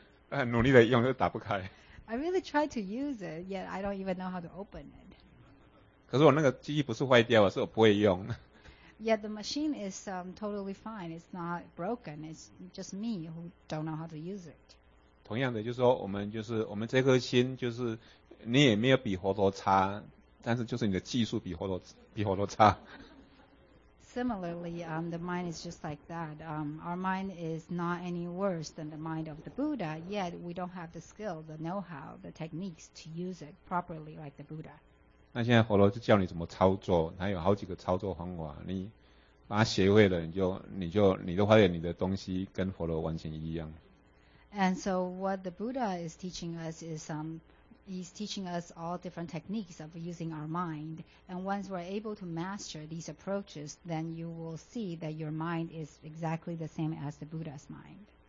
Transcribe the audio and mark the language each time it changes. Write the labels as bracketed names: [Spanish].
[Chinese] 很努力的用，就打不开。 [English] I really try to use it, yet I don't even know how to open it. [Chinese] 可是我那个机器不是坏掉，是我不会用。 [English] Yet the machine is totally fine. It's not broken. It's just me who don't know how to use it. [Chinese] 同样的，就是说我们这颗心，就是你也没有比佛陀差，但是就是你的技术比佛陀差。 [English] Similarly, the mind is just like that. Our mind is not any worse than the mind of the Buddha, yet we don't have the skill, the know-how, the techniques to use it properly like the Buddha. [Chinese] 那现在佛陀就教你怎么操作，他有好几个操作方法，你把它学会了，你就发现你的东西跟佛陀完全一样。 [English] And so what the Buddha is teaching us is He's teaching us all different techniques of using our mind. And once we're able to master these approaches, then you will see that your mind is exactly the same as the Buddha's mind.